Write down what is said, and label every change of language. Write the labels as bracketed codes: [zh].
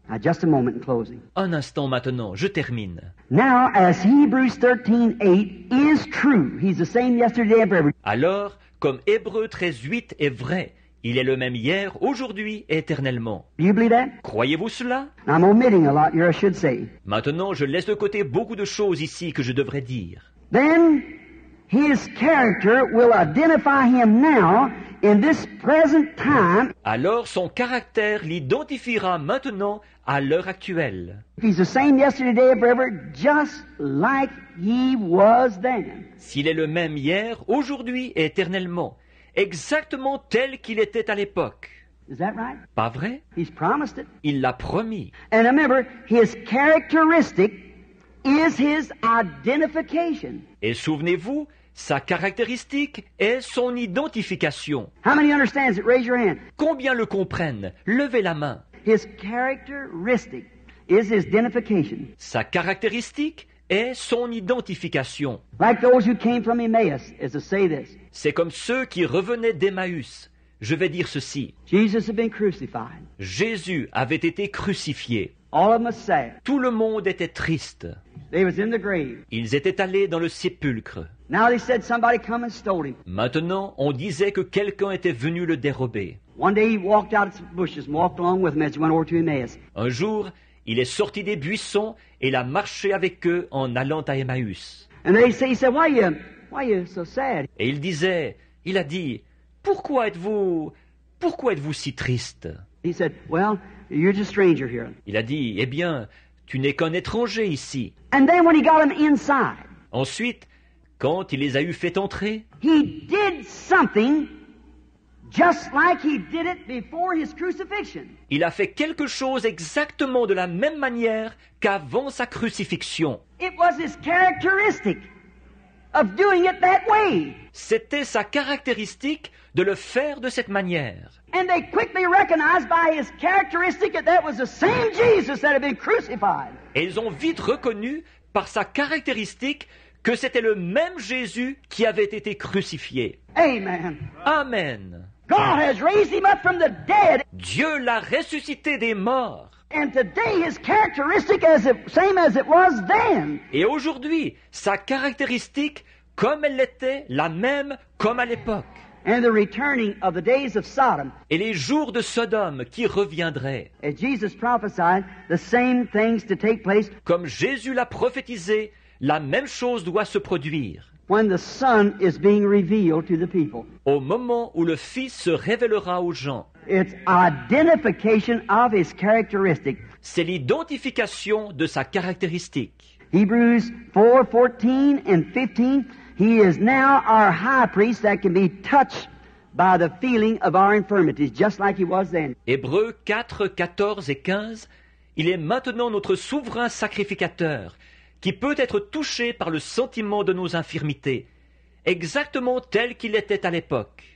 [en] Now, just a moment in closing. [fr] Un instant maintenant, je termine. [en] Now, as Hebrews 13:8 is true, he's the same yesterday and forever. [fr] Alors, comme Hébreux 13:8 est vrai, il est le même hier, aujourd'hui et éternellement. [en] You believe that? [fr] Croyez-vous cela? [en] I'm omitting a lot here, I should say. [fr] Maintenant, je laisse de côté beaucoup de choses ici que je devrais dire. [en] Then, his character will identify him now. In this present time, [fr] alors son caractère l'identifiera maintenant à l'heure actuelle. [en] He's the same yesterday and forever, just like he was then. [fr] S'il est le même hier, aujourd'hui et éternellement, exactement tel qu'il était à l'époque. [en] Is that right? [fr] Pas vrai? [en] He's promised it. [fr] Il l'a promis. [en] And remember, his characteristic is his identification. [fr] Et souvenez-vous, sa caractéristique est son identification. [en] How many understands it? Raise your hand. [fr] Combien le comprennent? Levez la main. [en] His characteristic is his identification. [fr] Sa caractéristique est son identification. [en] Like those who came from Emmaus, is to say this. [fr] C'est comme ceux qui revenaient d'Emmaüs. Je vais dire ceci. [en] Jesus had been crucified. [fr] Jésus avait été crucifié. [en] All of them were sad. [fr] Tout le monde était triste. [en] They was in the grave. [fr] Ils étaient allés dans le sépulcre. [en] Now they said somebody come and stole him. [fr] Maintenant, on disait que quelqu'un était venu le dérober. [en] One day he walked out of some bushes and walked along with them as he went over to Emmaus. [fr] Un jour, il est sorti des buissons et il a marché avec eux en allant à Emmaüs. [en] And they say, he said, why are you so sad? [fr] Et il disait, il a dit, pourquoi êtes-vous si triste? [en] He said, well, you're just a stranger here. [fr] Il a dit, eh bien, tu n'es qu'un étranger ici. [en] And then when he got him inside. [fr] Ensuite, quand il les a eu fait entrer, [en] he did something just like he did it before his crucifixion. [fr] Il a fait quelque chose exactement de la même manière qu'avant sa crucifixion. [en] It was his characteristic of doing it that way. [fr] C'était sa caractéristique de le faire de cette manière. [en] And they quickly recognized by his characteristic that that was the same Jesus that had been crucified. [fr] Et ils ont vite reconnu par sa caractéristique que c'était le même Jésus qui avait été crucifié. [en] Amen. [fr] Amen. [en] God has raised him up from the dead. [fr] Dieu l'a ressuscité des morts. [en] And today his characteristic is the same as it was then. [fr] Et aujourd'hui, sa caractéristique, comme elle l'était, la même comme à l'époque. [en] And the returning of the days of Sodom. [fr] Et les jours de Sodome qui reviendraient. [en] As Jesus prophesied, the same things to take place. [fr] Comme Jésus l'a prophétisé, la même chose doit se produire. [en] When the Son is being revealed to the people. [fr] Au moment où le Fils se révélera aux gens. [en] It's identification of his characteristic. [fr] C'est l'identification de sa caractéristique. [en] Hebrews 4, 14 and 15. He is now our high priest that can be touched by the feeling of our infirmities, just like he was then. [fr] Hébreux 4, 14 et 15, il est maintenant notre souverain sacrificateur qui peut être touché par le sentiment de nos infirmités, exactement tel qu'il était à l'époque.